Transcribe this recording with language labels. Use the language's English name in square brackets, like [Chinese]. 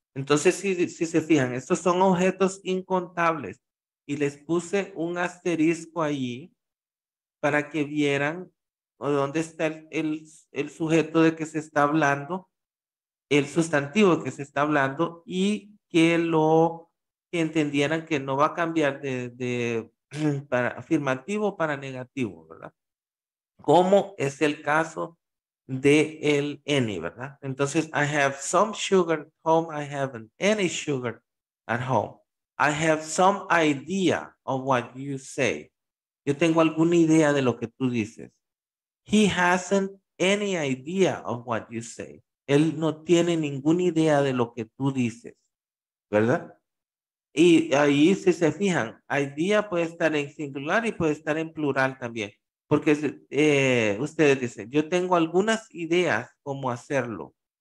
[Spanish] Entonces, si se fijan, estos son objetos incontables y les puse un asterisco allí para que vieran dónde está el sujeto de que se está hablando, el sustantivo de que se está hablando, y que entendieran que no va a cambiar de para afirmativo para negativo, ¿verdad? Como es el caso de el any, ¿verdad? Entonces, [English] I have some sugar at home, I haven't any sugar at home. I have some idea of what you say. [Spanish] Yo tengo alguna idea de lo que tú dices. [English] He hasn't any idea of what you say. [Spanish] Él no tiene ninguna idea de lo que tú dices, ¿verdad? Y ahí, si se fijan, idea puede estar en singular y puede estar en plural también. Porque ustedes dicen, yo tengo algunas ideas cómo hacerlo.